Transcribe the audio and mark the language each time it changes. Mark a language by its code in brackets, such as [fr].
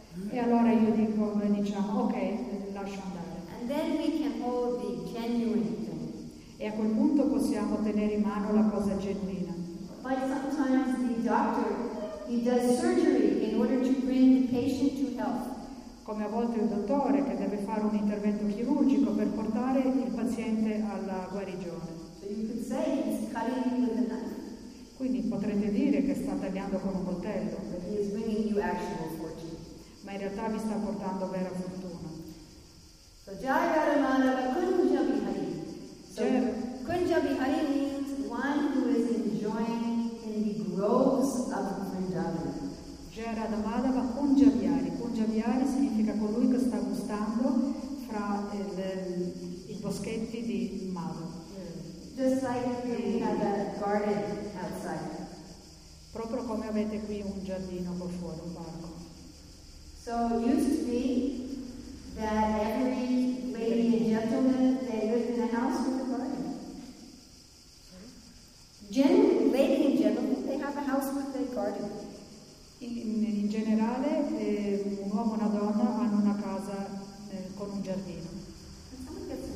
[it] E allora io dico, noi diciamo, ok, lascio andare. [en] And then we can hold the genuine thing. [it] E a quel punto possiamo tenere in mano la cosa genuina. [en] But sometimes the doctor, he does surgery in order to bring the patient to health. [it] Come a volte il dottore che deve fare un intervento chirurgico per portare il paziente alla guarigione. [en] You could say he's cutting with a knife. [it] Quindi potrete dire che sta tagliando con un coltello. [en] actual fortune. [it] Ma in realtà mi sta portando vera fortuna. [sa] So Jayara Madhava Kunjabi Hari. [en] So Kunjabi Hari means one who is enjoying in the groves of Vrindavan. [sa] Jayara Madhava Kunjabi Hari. [it] Kunjabi Hari significa colui che sta gustando fra i boschetti di Madhava. [en] Just like here we have a garden outside. [it] Proprio come avete qui un giardino qua fuori, un parco. [en] So it used to be that every lady and gentleman they lived in a house with a garden. Generally, lady and gentlemen, they have a house with a garden. [it] In generale, un uomo e una donna hanno una casa con un giardino.